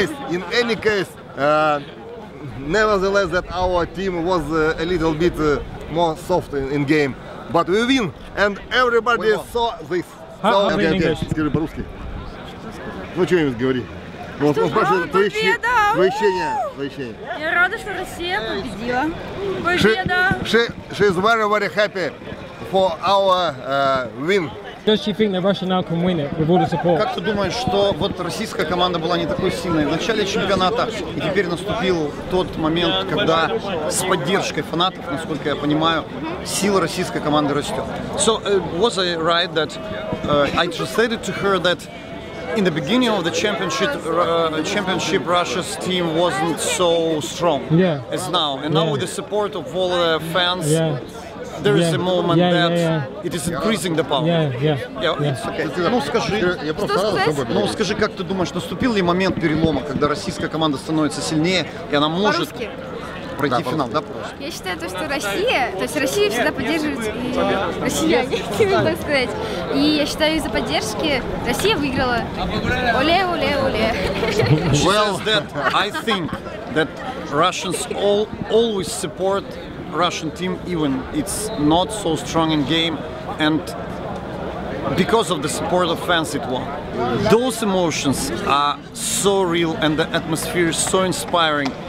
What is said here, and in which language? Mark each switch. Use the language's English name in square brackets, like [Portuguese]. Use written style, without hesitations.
[English] In any case, nevertheless, that our team was a little bit more soft in game, but we win, and everybody saw this. How do you mean? [Russian] Ну что ему говори? Он спрашивает твоё ощущение. Я рада, что Россия победила. Победа. [English] She is very, very happy for our win. Does she think that Russia now can win it with all the support? [Russian] Как ты думаешь, что вот российская команда была не такой сильной в начале чемпионата, и теперь наступил тот момент, когда с поддержкой фанатов, насколько я понимаю, сила российской команды растет? [English] So was I right that I translated to her that in the beginning of the championship, Russia's team wasn't so strong as now, and now with the support of all the fans. There is a moment that it is increasing the power. [Russian] Ну скажи, как ты думаешь, наступил ли момент перелома, когда российская команда становится сильнее и она может пройти финал, да? Я считаю, что Россия, то есть Россия всегда поддерживает россияне, так сказать. И я считаю, из-за поддержки Россия выиграла. Оле, оле, оле. [English] Well, that I think that Russians always support Russian team, even it's not so strong in game, and because of the support of fans, it won. Those emotions are so real, and the atmosphere is so inspiring.